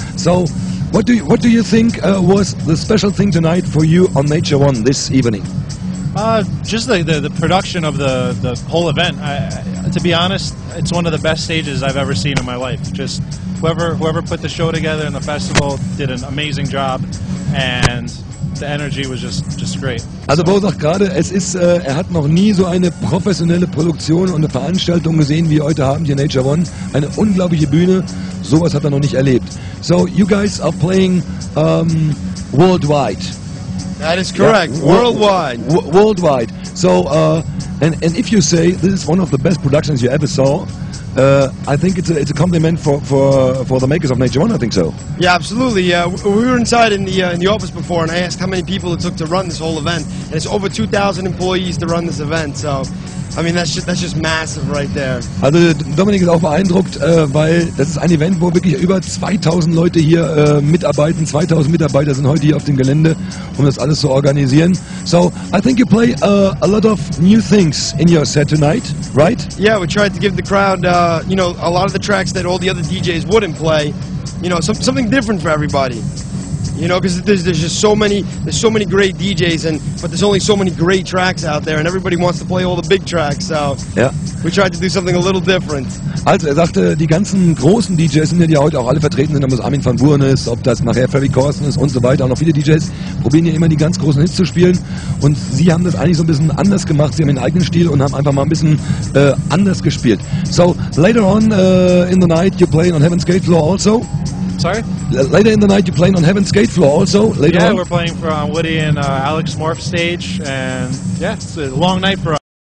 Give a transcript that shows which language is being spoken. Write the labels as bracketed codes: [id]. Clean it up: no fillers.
[en] So, what do you think was the special thing tonight for you on Nature One this evening? Just the production of the whole event. To be honest, it's one of the best stages I've ever seen in my life. Just whoever put the show together and the festival did an amazing job, and the energy was just great. [de] Also Bo sagt gerade, es ist, er hat noch nie so eine professionelle Produktion und eine Veranstaltung gesehen wie heute Abend hier Nature One. Eine unglaubliche Bühne, sowas hat er noch nicht erlebt. [en] So, you guys are playing worldwide. That is correct. Yeah. Worldwide. Worldwide. So, and if you say this is one of the best productions you ever saw, I think it's a compliment for the makers of Nature One. I think so. Yeah, absolutely. We were inside in the office before, and I asked how many people it took to run this whole event, and it's over 2,000 employees to run this event. So, I mean, that's just massive right there. [de] Also, Dominik ist auch beeindruckt, weil das ist ein Event, wo wirklich über 2000 Leute hier mitarbeiten. 2000 Mitarbeiter sind heute hier auf dem Gelände, um das alles zu organisieren. [en] So, I think you play a lot of new things in your set tonight, right? Yeah, we tried to give the crowd, you know, a lot of the tracks that all the other DJs wouldn't play. You know, something different for everybody. You know, because there's so many great DJs, but there's only so many great tracks out there, and everybody wants to play all the big tracks. So yeah, we tried to do something a little different. [de] Also, er sagte, die ganzen großen DJs sind ja, die heute auch alle vertreten sind, ob das Armin van Buuren ist, ob das nachher Ferry Corsten ist und so weiter. Auch noch viele DJs probieren ja immer die ganz großen Hits zu spielen. Und sie haben das eigentlich so ein bisschen anders gemacht. Sie haben ihren eigenen Stil und haben einfach mal ein bisschen anders gespielt. [en] So later on in the night, you play on Heaven's Gate Floor also. Sorry? Later in the night, you're playing on Heaven's Gate Floor also? Later yeah, on? We're playing for Woody and Alex Morph stage, and yeah, it's a long night for us.